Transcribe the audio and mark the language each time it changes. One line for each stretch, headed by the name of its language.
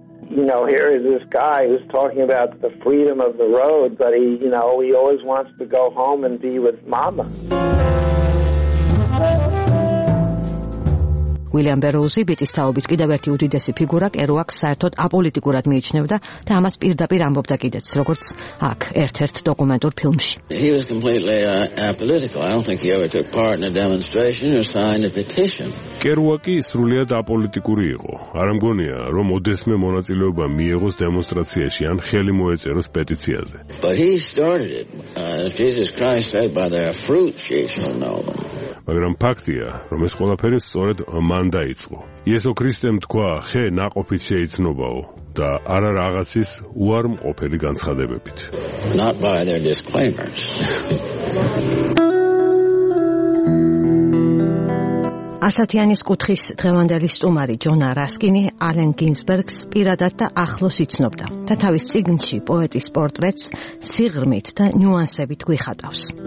English: You know, here is this guy who's talking about the freedom of the road, but he, you know, he always wants to go home and be with mama.
Georgian: უილიამ ბეროუზი ბიტის თაობის კიდევ ერთი უდიდესი ფიგურა კერუაკს საერთოდ აპოლიტიკურად მიიჩნევდა და ამას პირდაპირ ამბობდა კიდეც, როგორც აქ ერთ-ერთ დოკუმენტურ ფილმში.
English: He was completely apolitical. I don't think he ever took part in a demonstration or signed a petition.
Georgian: კერუაკი სრულიად აპოლიტიკური იყო. არ მგონია, რომ ოდესმე მონაწილეობა მიიღოს დემონსტრაციაში ან ხელი მოეწეროს პეტიციაზე.
English: But he started it. Jesus Christ said by their fruits ye shall know them.
Georgian: მაგრამ ფაქტია, რომ ეს ყველაფერი სწორედ მან დაიწყო. იესო ქრისტემ თქვა: ხე ნაყოფით შეიცნობაო და არა რაღაცის უარმყოფელი განცხადებებით.
English: Not by their disclaimers.
Georgian: ასათიანის კუთხის დღევანდელი სტუმარი ჯონა რასკინი ალენ გინსბერგს პირადად და ახლოს იცნობდა და თავის წიგნში პოეტის პორტრეტს სიღრმით და ნიუანსებით გვიხატავს.